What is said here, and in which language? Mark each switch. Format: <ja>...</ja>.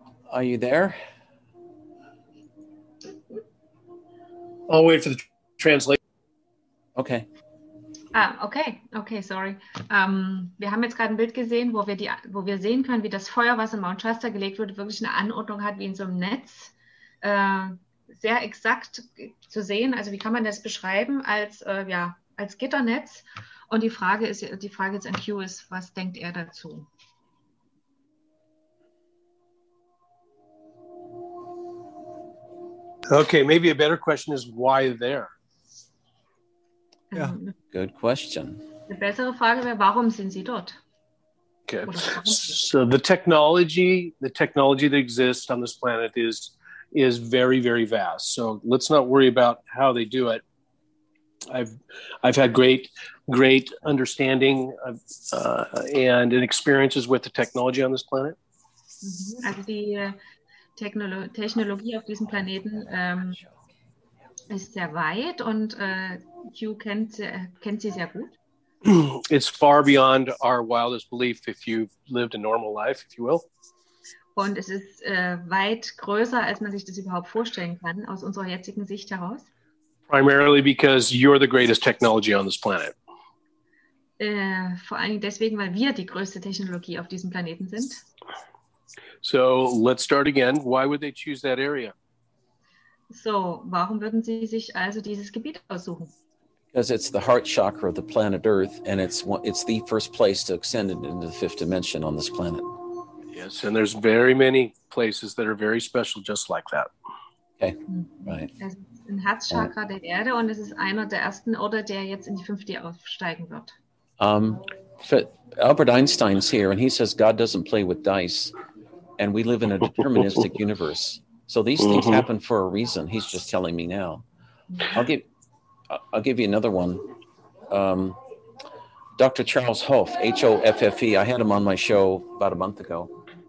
<en>Are you there? I'll wait for the translation. Okay. Ah, okay, sorry.</en> <de>Wir haben jetzt gerade ein Bild gesehen, wo wir sehen können, wie das Feuer, was in Mount Shasta gelegt wurde, wirklich eine Anordnung hat, wie in so einem Netz. Sehr exakt zu sehen. Also wie kann man das beschreiben als Gitternetz? Und die Frage jetzt an Q ist, was denkt er dazu?</de> <en>Okay, maybe a better question is why there? Yeah, good question.</en> <de>Eine bessere Frage wäre, warum sind Sie dort?</de> <en>Okay, so the technology that exists on this planet is very, very vast. So let's not worry about how they do it. I've had great understanding of, and experiences with the technology on this planet. Mm-hmm.</en> <de>Also die Technologie auf diesem Planeten ist sehr weit und Hugh kennt sie sehr gut.</de> <en>It's far beyond our wildest belief if you've lived a normal life, if you will.</en> <de>Und es ist weit größer, als man sich das überhaupt vorstellen kann, aus unserer jetzigen Sicht heraus.</de> <en>Primarily because you're the greatest technology on this planet.</en> <de>Vor allem deswegen, weil wir die größte Technologie auf diesem Planeten sind.</de> <en>So let's start again. Why would they choose that area?</en> <de>So, warum würden Sie sich also dieses Gebiet aussuchen?</de> <en>Because it's the heart chakra of the planet Earth, and it's the first place to extend it into the fifth dimension on this planet. Yes, and there's very many places that are very special just like that. Okay, mm-hmm. Right.</en> <de>Es ist ein Herzchakra der Erde, und es ist einer der ersten Orte, der jetzt in die 5D aufsteigen wird.</de> <en>Albert Einstein's here, and he says God doesn't play with dice. And we live in a deterministic universe. So these things mm-hmm. happen for a reason. He's just telling me now. I'll give you another one. Dr. Charles Hoff, H-O-F-F-E. I had him on my show about a month ago.</en>